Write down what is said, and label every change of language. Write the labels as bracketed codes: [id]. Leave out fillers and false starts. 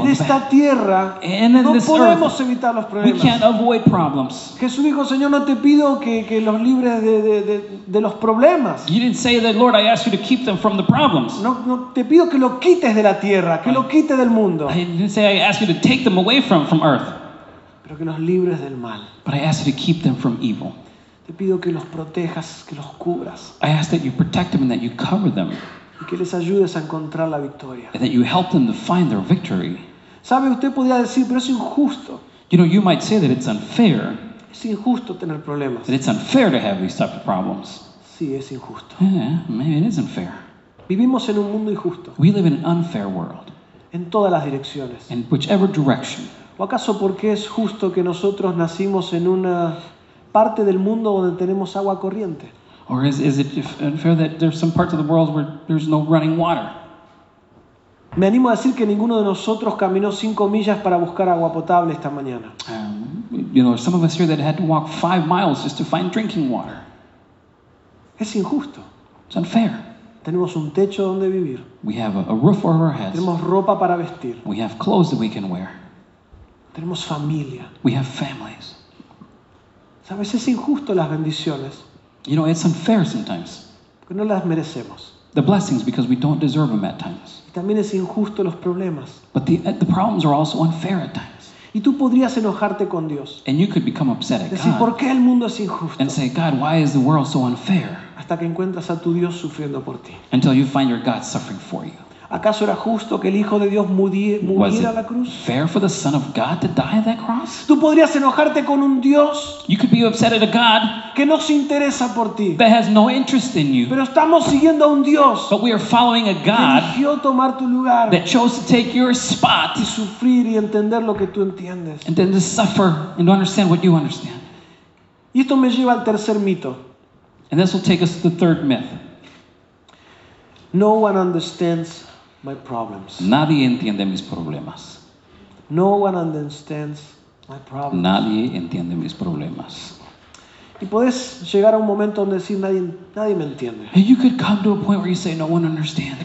[es] En esta tierra no podemos evitar los problemas. [en] We can't avoid problems. [es] Jesús dijo, Señor, no te pido que los libres de los problemas. [en] You didn't say that, Lord, I asked you to keep them from the problems. [es] No te pido que lo quites de la tierra, que lo quite del mundo. [en] I didn't say I asked you to take them away from earth. [es] Pero que los libres del mal. [en] But I asked you to keep them from evil. [es] Te pido que los protejas, que los cubras. [en] I asked that you protect them and that you cover them. [es] Y que les ayudes a encontrar la victoria. [en] And that you help them to find their victory. [es] Sabe, usted podría decir, pero es injusto. [en] You know, you might say that it's unfair. [es] Es injusto tener problemas. [en] That it's unfair to have these type of problems. [es] Sí, es injusto. [en] Yeah, maybe it isn't fair. [es] Vivimos en un mundo injusto. [en] We live in an unfair world. [es] En todas las direcciones. [en] In whichever direction. [es] ¿O acaso porque es justo que nosotros nacimos en una parte del mundo donde tenemos agua corriente? [en] Or is it unfair that there's some parts of the world where there's no running water? [es] Me animo a decir que ninguno de nosotros caminó 5 millas para buscar agua potable esta mañana. [en] You know, some of us here that had to walk 5 miles just to find drinking water. [es] Es injusto. [en] It's unfair. [es] Tenemos un techo donde vivir. [en] We have a roof over our heads. [es] Tenemos ropa para vestir. [en] We have clothes that we can wear. [es] Tenemos familia. [en] We have families. [es] ¿Sabes? Es injusto las bendiciones. [en] You know, it's unfair sometimes. [es] Porque no las merecemos. [en] The blessings because we don't deserve them at times. [es] Y también es injusto los problemas. [en] But the problems are also unfair at times. [es] Y tú podrías enojarte con Dios. [en] And you could become upset at [es] Decir, [en] God. [es] Decir, ¿por qué el mundo es injusto? [en] And say, God, why is the world so unfair? [es] Hasta que encuentras a tu Dios sufriendo por ti. [en] Until you find your God suffering for you. [es] ¿Acaso era justo que el Hijo de Dios muriera a la cruz? [en] Was it fair for the Son of God to die at that cross? [es] Tú podrías enojarte con un Dios. [en] You could be upset at a God [es] que no se interesa por ti. [en] That has no interest in you. [es] Pero estamos siguiendo a un Dios. [en] But we are following a God [es] que eligió tomar tu lugar. [en] That chose to take your spot. [es] Y sufrir y entender lo que tú entiendes. [en] And then to suffer and to understand what you understand. [es] Y esto me lleva al tercer mito. [en] And this will take us to the third myth. No one understands my problems. [es] Nadie entiende mis problemas. [en] No one understands my problems. [es] Nadie entiende mis problemas. Y puedes llegar a un momento donde decir nadie me entiende. [en] And you could come to a point where you say no one understands.